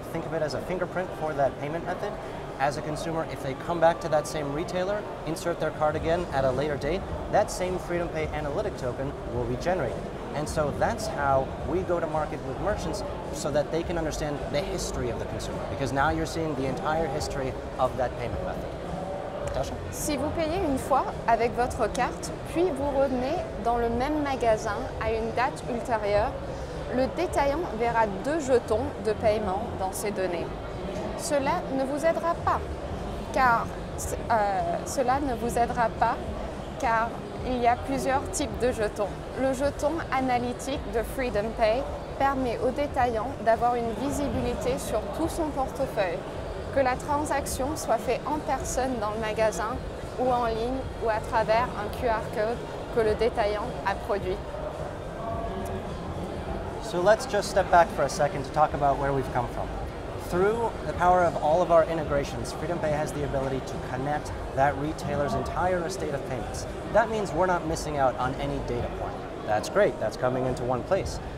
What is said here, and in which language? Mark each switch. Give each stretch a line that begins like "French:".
English: Think of it as a fingerprint for that payment method. As a consumer, if they come back to that same retailer, insert their card again at a later date, that same FreedomPay analytic token will be generated. And so that's how we go to market with merchants so that they can understand the history of the consumer, because now you're seeing the entire history of that payment method.
French: Si vous payez une fois avec votre carte, puis vous revenez dans le même magasin à une date ultérieure, le détaillant verra deux jetons de paiement dans ces données. Cela ne vous aidera pas, car il y a plusieurs types de jetons. Le jeton analytique de FreedomPay permet au détaillant d'avoir une visibilité sur tout son portefeuille. Que la transaction soit faite en personne dans le magasin ou en ligne ou à travers un QR code que le détaillant a produit.
English: So let's just step back for a second to talk about where we've come from. Through the power of all of our integrations, FreedomPay has the ability to connect that retailer's entire estate of payments. That means we're not missing out on any data point. That's great, that's coming into one place.